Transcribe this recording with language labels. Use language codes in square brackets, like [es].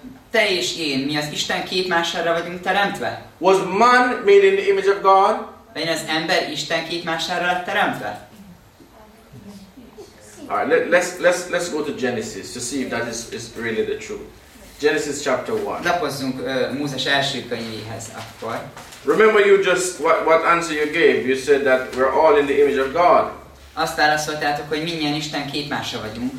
[hu] Te és én, mi az Isten képmására vagyunk teremtve? [en] Was man made in the image of God? [hu] Vagy az ember Isten képmására lett teremtve? [en] All right, let's go to Genesis to see if that is really the truth. Genesis chapter 1. [hu] Lapozzunk Mózes első könyvéhez akkor. [en] Remember you just what answer you gave? You said that we're all in the image of God. [hu] Azt válaszoltátok, hogy minnyien Isten képmása vagyunk.